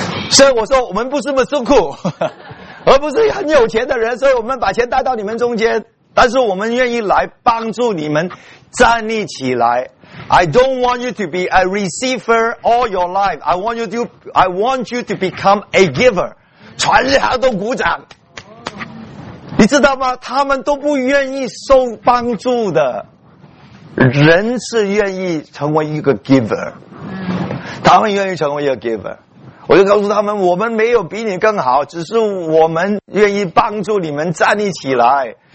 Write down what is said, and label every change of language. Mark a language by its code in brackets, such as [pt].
[zh] 所以我说我们不是 Masuku， 而不是很有钱的人，所以我们把钱带到你们中间。但是我们愿意来帮助你们站立起来。 [en] I don't want you to be a receiver all your life. I want you to become a giver. [zh] 全场都鼓掌。你知道吗？他们都不愿意受帮助的。人是愿意成为一个 giver。他们愿意成为一个 giver。我就告诉他们，我们没有比你更好，只是我们愿意帮助你们站立起来。